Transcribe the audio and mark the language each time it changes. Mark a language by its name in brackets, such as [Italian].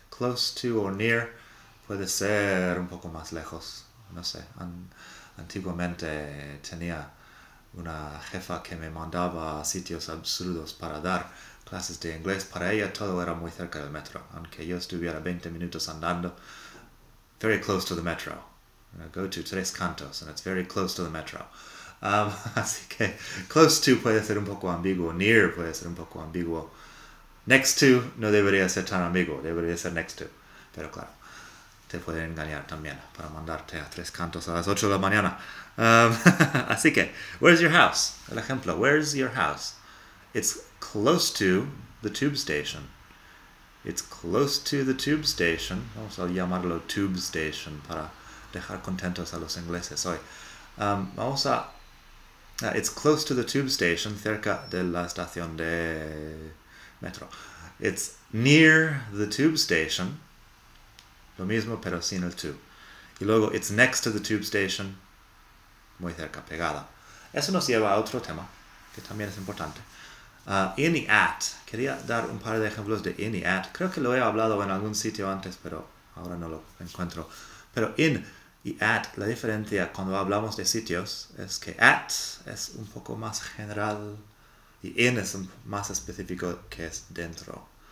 [Spanish] Close to o near puede ser un poco más lejos. No sé, antiguamente tenía una jefa que me mandaba a sitios absurdos para dar clases de inglés. Para ella todo era muy cerca del metro, aunque yo estuviera 20 minutos andando. [English] Very close to the metro. Go to tres cantos, and it's very close to the metro. [Spanish] Así que close to puede ser un poco ambiguo, near puede ser un poco ambiguo. Next to no debería ser tan ambiguo, debería ser next to. Pero claro, te pueden engañar también para mandarte a tres cantos a las 8 de la mañana. Así que, [English] where's your house? [Spanish] El ejemplo, [English] where's your house? It's close to the tube station. It's close to the tube station. [Spanish] Vamos a llamarlo tube station para dejar contentos a los ingleses hoy. Vamos a. [English] It's close to the tube station, [Spanish] cerca de la estación de metro. [English] It's near the tube station. [Spanish] Lo mismo, pero sin el tube. Y luego, [English] it's next to the tube station. [Spanish] Muy cerca, pegada. Eso nos lleva a otro tema, que también es importante. In y at. Quería dar un par de ejemplos de in y at. Creo que lo he hablado en algún sitio antes, pero ahora no lo encuentro. Pero in y at, la diferencia cuando hablamos de sitios es que at es un poco más general y in es más específico que es dentro.